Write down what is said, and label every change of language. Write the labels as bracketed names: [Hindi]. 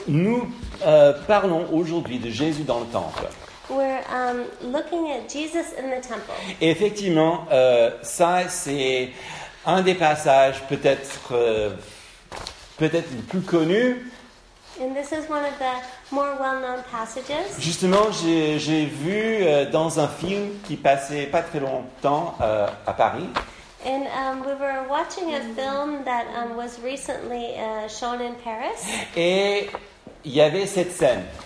[French] Nous parlons aujourd'hui de Jésus dans le temple. [English] We're looking at Jesus in the temple. [French] Effectivement, ça c'est un des passages peut-être le plus connu. [English] And this is one of the more well-known passages. [French] Justement, j'ai vu dans un film qui passait pas très longtemps à Paris. [English] And we were watching a film that was recently shown in Paris. [French] Et il y avait cette scène.